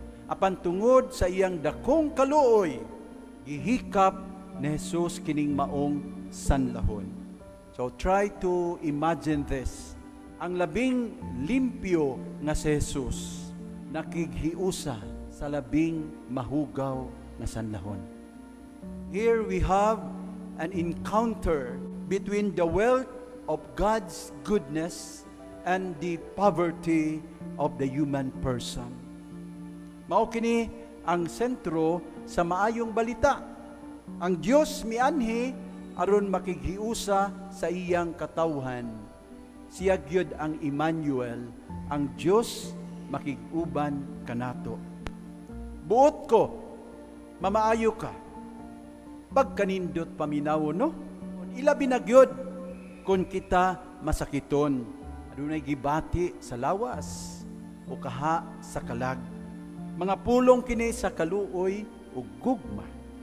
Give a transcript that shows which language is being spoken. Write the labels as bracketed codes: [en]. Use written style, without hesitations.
[ceb] Apan tungod sa iyang dakong kaluoy, gihikap ni Jesus kining maong sanlahon. [en] So try to imagine this. [ceb] Ang labing limpyo nga si Jesus nakighiusa sa labing mahugaw na sanlahon. [en] Here we have an encounter between the wealth of God's goodness and the poverty of the human person. [ceb] Mao kini ang sentro sa maayong balita. Ang Dios mianhi aron makighiusa sa iyang katawhan. Siya gyud ang Emmanuel, ang Dios makiguban kanato. Buot ko, mamaayo ka. Pagkanindot paminaw no? Ilabi na gyud kun kita masakiton. Adunay gibati sa lawas o kaha sa kalag. Mga pulong kini sa kaluoy o gugma.